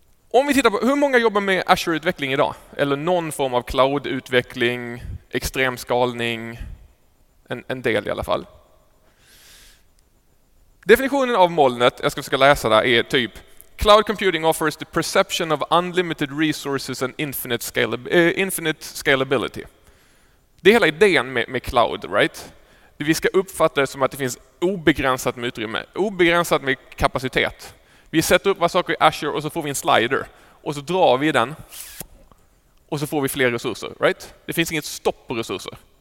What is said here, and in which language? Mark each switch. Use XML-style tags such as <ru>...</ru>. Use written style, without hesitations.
<sv>Om vi tittar på hur många jobbar med Azure-utveckling idag? Eller någon form av cloud-utveckling, extremskalning, en del i alla fall. Definitionen av molnet, jag ska försöka läsa det, är typ...</sv> <en>Cloud computing offers the perception of unlimited resources and infinite scalability.</en> <sv>Det är hela idén med cloud, right? Vi ska uppfatta det som att det finns obegränsat med utrymme, obegränsat med kapacitet. Vi sätter upp våra saker i Azure och så får vi en slider. Och så drar vi den och så får vi fler resurser, right? Det finns inget stopp på resurser.</sv>